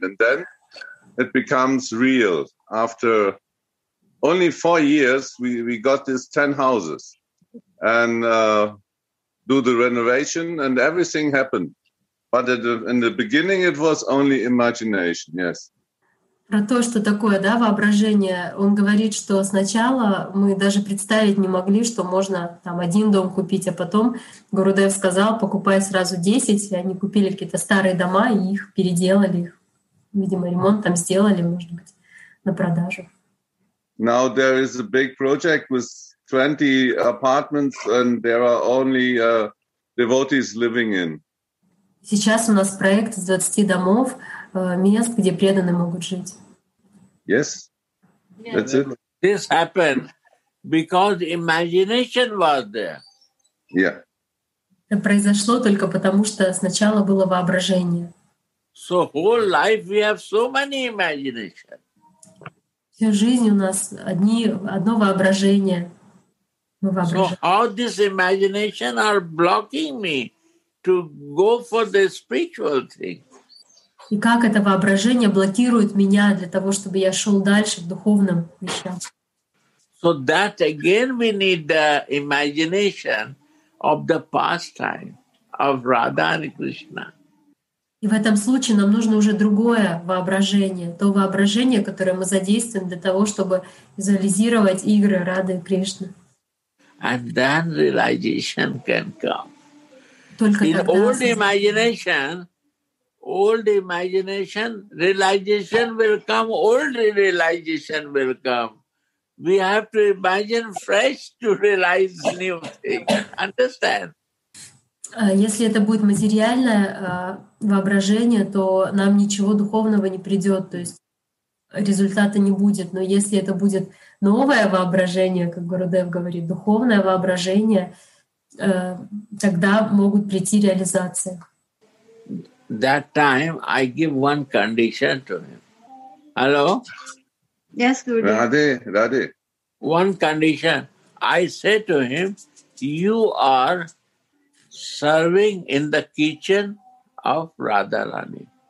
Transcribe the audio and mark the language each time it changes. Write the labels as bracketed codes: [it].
[en] And then it becomes real. After only 4 years, we got these 10 houses and do the renovation, and everything happened. But in the beginning, it was only imagination, yes. [ru] Про то, что такое, да, воображение. Он говорит, что сначала мы даже представить не могли, что можно там один дом купить, а потом Гурудев сказал, покупай сразу 10, и они купили какие-то старые дома и их переделали, их, видимо, ремонт там сделали, может быть, на продажу. [en] Now there is a big project with 20 apartments and there are only devotees living in. [ru] Сейчас у нас проект с 20 домов, мест, где преданные могут жить. [en] Yes, that's it. This happened because imagination was there. Yeah. [ru] Это произошло только потому, что сначала было воображение. [en] So whole life we have so many imagination. [ru] Всю жизнь у нас одно воображение. [en] So how this imagination are blocking me to go for the spiritual thing? [ru] И как это воображение блокирует меня для того, чтобы я шел дальше в духовном вещах. [en] So that again we need the imagination of the pastime of Radha and Krishna. [ru] И в этом случае нам нужно уже другое воображение, то воображение, которое мы задействуем для того, чтобы визуализировать игры Рады и Кришны. [en] And then realization can come. [ru] Только [en] in old imagination. Old imagination, realization will come, old realization will come. We have to imagine fresh to realize new things. Understand? [ru] Если это будет материальное воображение, то нам ничего духовного не придет, то есть результата не будет. Но если это будет новое воображение, как Гурудев говорит, духовное воображение, тогда могут прийти реализации. [en] That time, I give one condition to him. Hello? Yes, Guru. Radhe. One condition. I say to him, you are serving in the kitchen of Radharani.